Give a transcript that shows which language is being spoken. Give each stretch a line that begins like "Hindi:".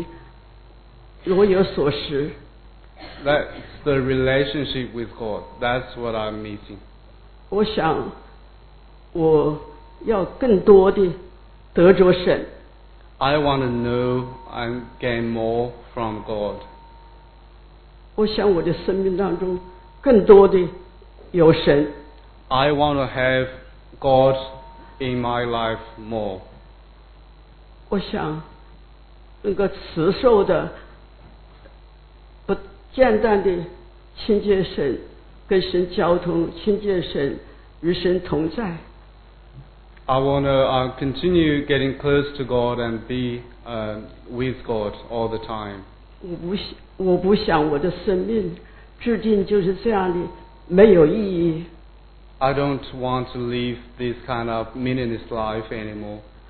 Chinese: 我总跟神的关系若有所失。
English: That's the relationship with God. That's what I'm missing.
Chinese: 我想我要更多的得着神。
English: I want to know and gain more from God.
Chinese: 我想我的生命当中更多的有神。I
English: want to have God in my life more.
Chinese: 我想那个慈受的、不间断的亲近神、跟神交通、亲近神、与神同在。I
English: want to continue getting close to God and be with God all the time.
Chinese: 我不想我的生命注定就是这样的，没有意义。
English: I don't want to live this kind of meaningless life anymore.